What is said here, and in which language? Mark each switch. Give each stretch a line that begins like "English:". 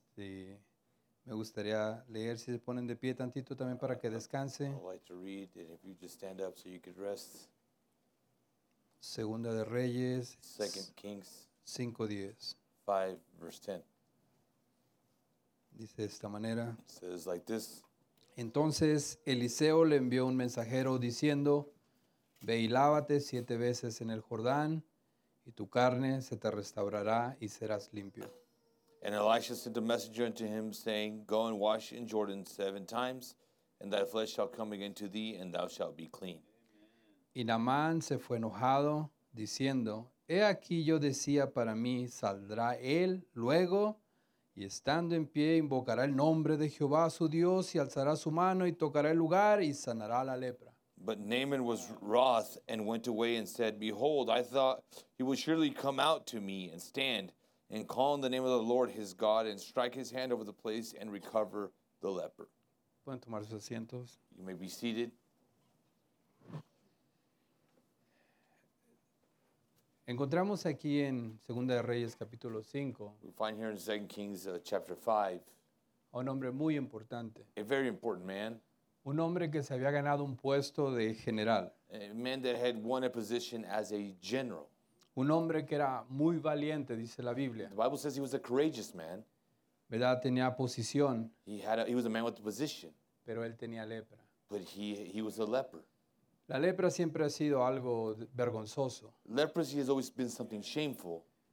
Spanish: Me gustaría leer si se ponen de pie tantito también para que descanse.
English: I'd like to read, and if you just stand up so you could rest.
Spanish: Segunda de Reyes.
English: Second Kings.
Spanish: 5:10.
English: 5 verse 10.
Spanish: Dice de esta manera.
English: It says like this.
Spanish: Entonces Eliseo le envió un mensajero diciendo, ve y lávate 7 veces en el Jordán, y tu carne se te restaurará y serás limpio.
English: And Elisha sent a messenger unto him, saying, go and wash in Jordan 7 times, and thy flesh shall come again to thee, and thou shalt be clean.
Spanish: Y Naamán se fue enojado, diciendo, he aquí yo decía para mí, saldrá él luego, y estando en pie, invocará el nombre de Jehová su Dios, y alzará su mano, y tocará el lugar, y sanará la lepra.
English: But Naaman was wroth, and went away, and said, behold, I thought he would surely come out to me, and stand, and call on the name of the Lord his God, and strike his hand over the place, and recover the leper.
Spanish: ¿Pueden tomar sus asientos?
English: You may be seated.
Spanish: Encontramos aquí en Segunda de Reyes capítulo 5.
English: We find here in 2 Kings chapter 5.
Spanish: Un hombre muy importante.
English: A very important man.
Spanish: Un hombre que se había ganado un puesto de general.
English: A man that had won a position as a general.
Spanish: Un hombre que era muy valiente, dice la Biblia.
English: The Bible says he was a courageous man.
Spanish: ¿Verdad? Tenía posición.
English: He was a man with a position.
Spanish: Pero él tenía lepra.
English: But he was a leper.
Spanish: La lepra siempre ha sido algo vergonzoso.
English: Leprosy has always been something shameful.